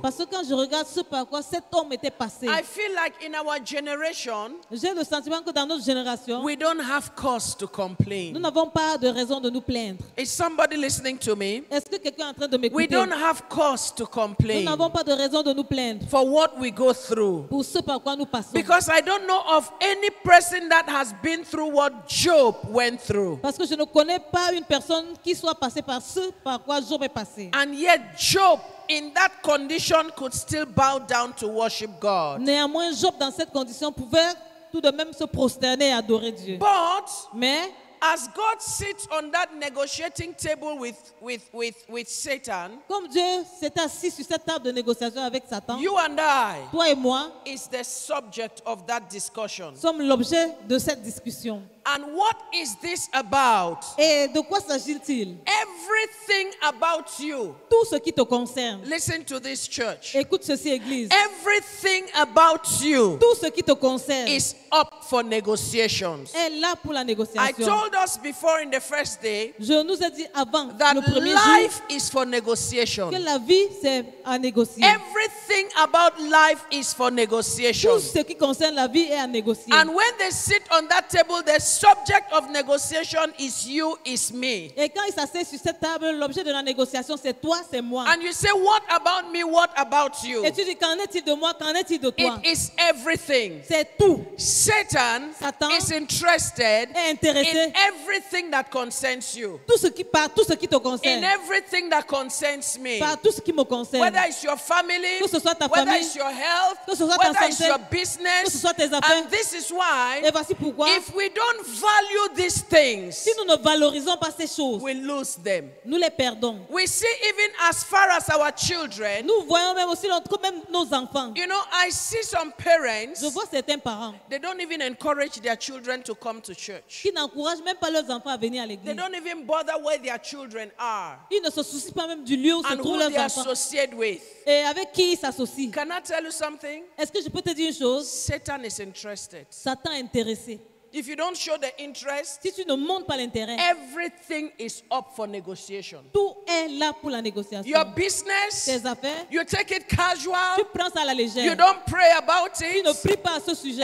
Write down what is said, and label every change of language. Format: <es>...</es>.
<fr>Parce que quand je regarde ce par quoi cet homme était passé,</fr> <en>I feel like in our generation,</en> <fr>j'ai le sentiment que dans notre génération,</fr> <en>we don't have cause to complain.</en> <fr>Nous n'avons pas de raison de nous plaindre.</fr> <en>Is somebody listening to me?</en> <fr>Est-ce que quelqu'un est en train de m'écouter?</fr> <en>We don't have cause to complain.</en> <fr>Nous n'avons pas de raison de nous plaindre.</fr> <en>For what we go through.</en> <fr>Pour ce par quoi nous passons.</fr> <en>Because I don't know of any person that has been through what Job went through.</en> <fr>Parce que je ne connais pas une personne qui soit passée par ce par quoi Job est passé.</fr> <en>And yet Job in that condition could still bow down to worship God.</en> <fr>Néanmoins, Job dans cette condition pouvait tout de même se prosterner et adorer Dieu.</fr> <en>But</en> <fr>mais</fr> <en>as God sits on that negotiating table with Satan,</en> <fr>comme Dieu s'est assis sur cette table de négociation avec Satan,</fr> <en>you and I,</en> <fr>toi et moi,</fr> <en>is the subject of that discussion.</en> <fr>Sommes l'objet de cette discussion.</fr> <en>And what is this about?</en> <fr>Et de quoi s'agit-il?</fr> <en>Everything about you.</en> <fr>Tout ce qui te concerne.</fr> <en>Listen to this church.</en> <fr>Écoute ceci, église.</fr> <en>Everything about you.</en> <fr>Tout ce qui te concerne.</fr> <en>Is up for negotiations.</en> <fr>Est là pour la négociation.</fr> <en>I told us before in the first day.</en> <fr>Je nous ai dit avant</fr> <en>that</en> <fr>le premier</fr> <en>life</en> <fr>jour,</fr> <en>is for negotiation.</en> <fr>Que la vie c'est à négocier.</fr> <en>Everything about life is for negotiation.</en> <fr>Tout ce qui concerne la vie est à négocier.</fr> <en>And when they sit on that table, the subject of negotiation is you, is me.</en> <fr>Et quand ils s'assoient sur cette table, l'objet de la négociation c'est toi, c'est moi.</fr> <en>And you say, what about me? What about you?</en> <fr>Et tu dis, qu'en est-il de moi? Qu'en est-il de toi?</fr> <en>It is everything.</en> <fr>C'est tout.</fr> <en>Satan is interested</en> <fr>est intéressé</fr> <en>in everything that concerns you.</en> <fr>Tout ce qui parle, tout ce qui te concerne.</fr> <en>In everything that concerns me.</en> <fr>Par tout ce qui me concerne.</fr> <en>Whether it's your family,</en> <fr>que ce soit ta</fr> <en>whether</en> <fr>famille,</fr> <en>it's your health,</en> <fr>que ce soit</fr> <en>whether</en> <fr>ta santé,</fr> <en>it's your business,</en> <fr>que ce soit tes affaires.</fr> <en>And this is why,</en> <fr>et voici pourquoi,</fr> <en>if we don't value these things,</en> <fr>si nous ne valorisons pas ces choses,</fr> <en>we lose them.</en> <fr>Nous les perdons.</fr> <en>We see even as far as our children.</en> <fr>Nous voyons même aussi même nos enfants.</fr> <en>You know, I see some parents.</en> <fr>Je vois certains parents.</fr> <en>They don't even encourage their children to come to church.</en> <fr>Ils n'encouragent même pas leurs enfants à venir à l'église.</fr> <en>They don't even bother where their children are.</en> <fr>Ils ne se soucient pas même du lieu où se trouvent leurs enfants.</fr> <en>And who they associate with.</en> <fr>Et avec qui ils s'associent.</fr> <en>Can I tell you something?</en> <fr>Est-ce que je peux te dire une chose?</fr> <en>Satan is interested.</en> <fr>Satan est intéressé.</fr> <en>If you don't show the interest,</en> <fr>si tu ne montres pas l'intérêt,</fr> <en>everything is up for negotiation.</en> <fr>Tout est là pour la négociation.</fr> <en>Your business,</en> <fr>tes affaires,</fr> <en>you take it casual.</en> <fr>Tu prends ça à la légère.</fr> <en>You don't pray about it.</en> <fr>Tu ne pries pas à ce sujet.</fr>